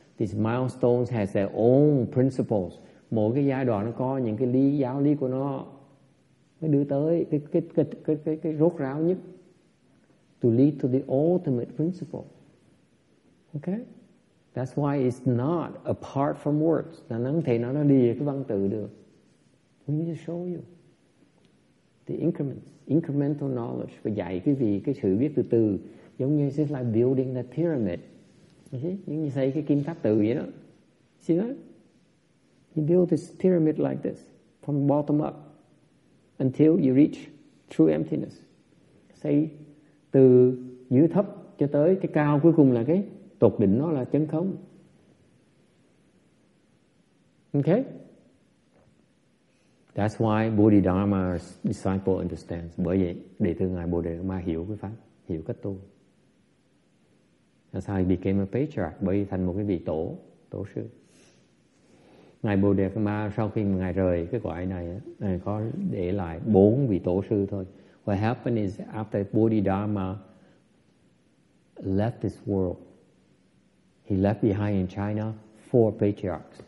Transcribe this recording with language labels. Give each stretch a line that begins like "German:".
English: These milestones has their own principles.
Vietnamese: Mỗi cái giai đoạn nó có những cái lý giáo lý của nó mới đưa tới cái rốt ráo nhất
English: to lead to the ultimate principle. Okay, that's why it's not apart from words.
Vietnamese: Là nó không thể nó lìa cái văn tự được.
English: We need to show you the incremental knowledge.
Vietnamese: Và dạy cái gì cái sự biết từ từ, giống như
English: it's like building the pyramid.
Vietnamese: Giống như xây cái kim tháp tự vậy đó.
English: See that? You build this pyramid like this from bottom up until you reach true emptiness.
Vietnamese: Xây từ dưới thấp cho tới cái cao cuối cùng là cái tột đỉnh, nó là chân không.
English: Okay? That's why Bodhidharma's disciple understands.
Vietnamese: Bởi vậy, đệ tử ngài Bodhidharma hiểu cái pháp, hiểu cách tu.
English: That's how he became a patriarch,
Vietnamese: bởi vì thành một cái vị tổ, tổ sư. Ngài Bồ Đề Ma sau khi ngài rời cái quái này, ngài có để lại bốn vị tổ sư thôi.
English: What happened is after Bodhidharma left this world, he left behind in China four patriarchs.